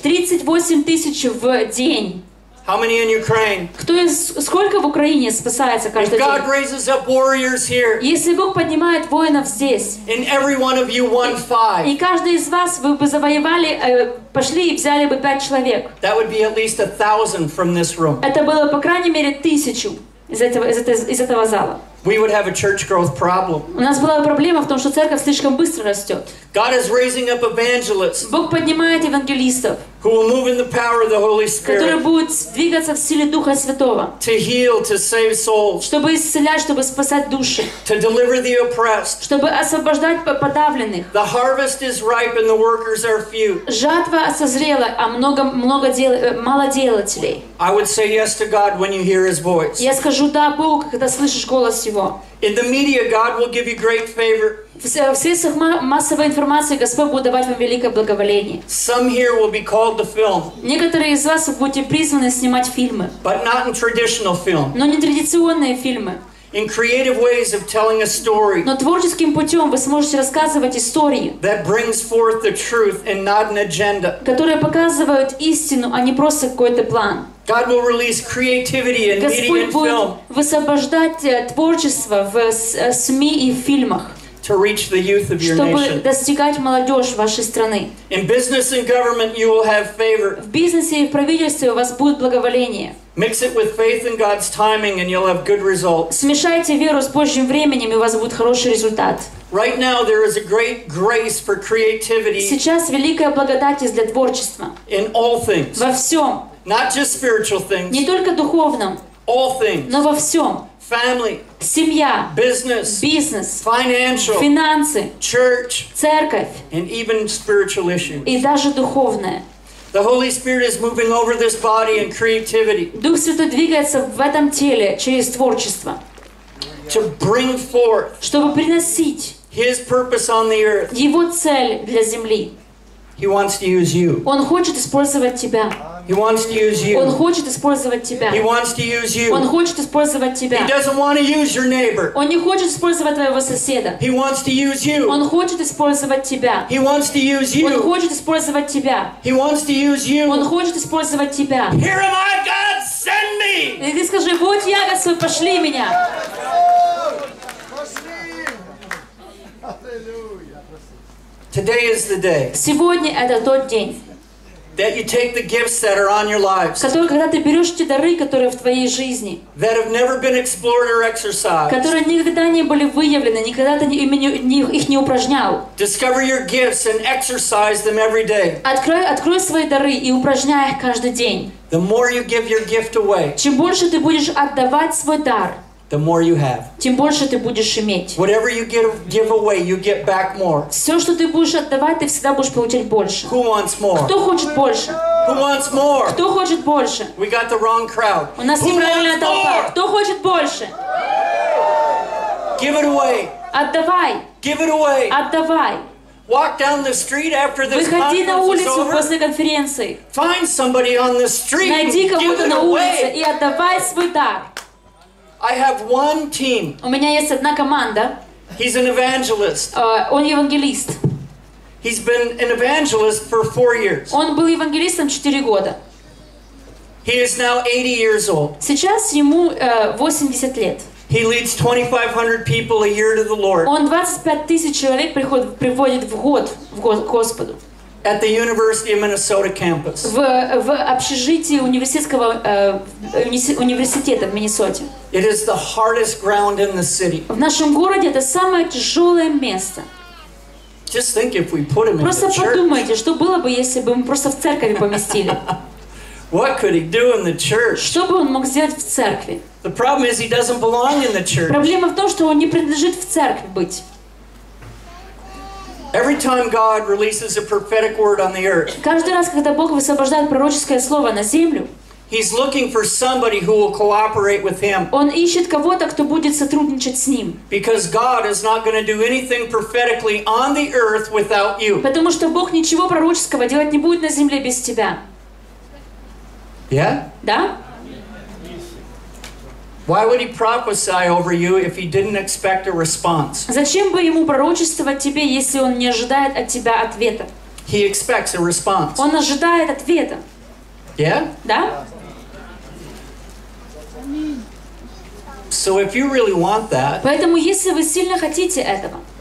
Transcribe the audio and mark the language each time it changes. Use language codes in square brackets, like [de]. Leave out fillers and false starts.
[ru] 38,000 в день. [en] How many in Ukraine? [ru] Кто из сколько в Украине спасается каждый день? [en] God raises up warriors here. [ru] Если Бог поднимает воинов здесь. [en] And every one of you won five. [ru] И каждый из вас вы бы завоевали, пошли и взяли бы 5 человек. [en] That would be at least 1,000 from this room. [ru] Это было по крайней мере 1,000 из этого зала. [en] We would have a church growth problem. [ru] У нас была проблема в том, что церковь слишком быстро растет. [en] God is raising up evangelists. [ru] Бог поднимает евангелистов. [en] Who will move in the power of the Holy Spirit? [ru] Которые будут двигаться в силе Духа Святого. [en] To heal, to save souls. [ru] Чтобы исцелять, чтобы спасать души. [en] To deliver the oppressed. [ru] Чтобы освобождать подавленных. [en] The harvest is ripe and the workers are few. [ru] Жатва созрела, а мало делателей. [en] I would say yes to God when you hear His voice. [ru] Я скажу да Богу, когда слышишь голос Его. [en] In the media, God will give you great favor. [ru] В средствах массовой информации Господь будет давать вам великое благоволение. [en] Some here will be called to film. [ru] Некоторые из вас будете призваны снимать фильмы. [en] But not in traditional film. [ru] Но не традиционные фильмы. [en] In creative ways of telling a story. [ru] Но творческим путем вы сможете рассказывать истории. [en] That brings forth the truth and not an agenda. [ru] Которые показывают истину, а не просто какой-то план. [en] God will release creativity in [ru] Господь [en] media and film. [ru] Господь будет высвобождать творчество в СМИ и в фильмах. [en] To reach the youth of your nation. [ru] Чтобы достигать молодежь вашей страны. [en] In business and government, you will have favor. [ru] В бизнесе и в правительстве у вас будет благоволение. [en] Mix it with faith in God's timing, and you'll have good results. [ru] Смешайте веру с Божьим временем, и у вас будет хороший результат. [en] Right now, there is a great grace for creativity. [ru] Сейчас великая благодать для творчества. [en] In all things. [ru] Во всем. [en] Not just spiritual things. [ru] Не только духовном. [en] All things. [ru] Но во всем. [en] Family. [ru] Семья. [en] Business. [ru] Бизнес. [en] Financial. [ru] Финансы. [en] Church. [ru] Церковь. [en] And even spiritual issues. [ru] И даже духовное. [en] The Holy Spirit is moving over this body in creativity. [ru] Дух Святой двигается в этом теле через творчество. [en] To bring forth. [ru] Чтобы приносить. [en] His purpose on the earth. [ru] Его цель для земли. [en] He wants to use you. [ru] Он хочет использовать тебя. [en] He wants to use you. [ru] Он хочет использовать тебя. [en] He wants to use you. [ru] Он хочет использовать тебя. [en] He doesn't want to use your neighbor. [ru] Он не хочет использовать твоего соседа. [en] He wants to use you. [ru] Он хочет использовать тебя. [en] He wants to use you. [ru] Он хочет использовать тебя. [en] He wants to use you. [ru] Он хочет использовать тебя. [en] Here am I, God, send me. [ru] И ты скажи: вот я, Господь, пошли меня. Пошли. [en] Today is the day. [ru] Сегодня это тот день. [en] That you take the gifts that are on your lives. [ru] Которые, когда ты берешь те дары, которые в твоей жизни. [en] That have never been explored or exercised. [ru] Которые никогда не были выявлены, никогда ты их не упражнял. [en] Discover your gifts and exercise them every day. [ru] Открой свои дары и упражняй их каждый день. [en] The more you give your gift away. [ru] Чем больше ты будешь отдавать свой дар. [en] The more you have. [ru] Тем больше ты будешь иметь. [en] Whatever you give away, you get back more. [ru] Все, что ты будешь отдавать, ты всегда будешь получать больше. [en] Who wants more? [ru] Кто хочет больше? [en] Who wants more? [ru] Кто хочет больше? [en] We got the wrong crowd. [ru] У нас неправильная толпа. Кто хочет больше? [en] Give it away. [ru] Отдавай. [en] Give it away. [ru] Отдавай. [en] Walk down the street after this conference is over. [ru] Выходи на улицу после конференции. [en] Find somebody on the street. [ru] Найди кого-то на улице и отдавай свой дар. [en] I have one team. [ru] У меня есть одна команда. [en] He's an evangelist. [ru] Он евангелист. [en] He's been an evangelist for 4 years. [ru] Он был евангелистом 4 года. [en] He is now 80 years old. [ru] Сейчас ему 80 лет. [en] He leads 2,500 people a year to the Lord. [ru] Он 25,000 человек приводит в год к Господу. [en] At the University of Minnesota campus. [ru] В общежитии университетского университета в Миннесоте. [en] It is the hardest ground in the city. [ru] В нашем городе это самое тяжелое место. [en] Just think if we put him in the church. [ru] Просто подумайте, что было бы, если бы мы просто в церковь поместили. [en] What could he do in the church? [ru] Что бы он мог сделать в церкви? [en] The problem is he doesn't belong in the church. [ru] Проблема в том, что он не принадлежит в церкви быть. [en] Every time God releases a prophetic word on the earth. [ru] Каждый раз, когда Бог высвобождает пророческое слово на землю. [en] He's looking for somebody who will cooperate with him. [ru] Он ищет кого-то, кто будет сотрудничать с ним. [en] Because God is not going to do anything prophetically on the earth without you. [ru] Потому что Бог ничего пророческого делать не будет на земле без тебя. [en] Yeah? [ru] Да? [en] Why would he prophesy over you if he didn't expect a response? [ru] Зачем бы ему пророчествовать тебе, если он не ожидает от тебя ответа? [en] He expects a response. [ru] Он ожидает ответа. [en] Yeah? [ru] Да? [en] So if you really want that. [ru] Поэтому если вы сильно хотите этого.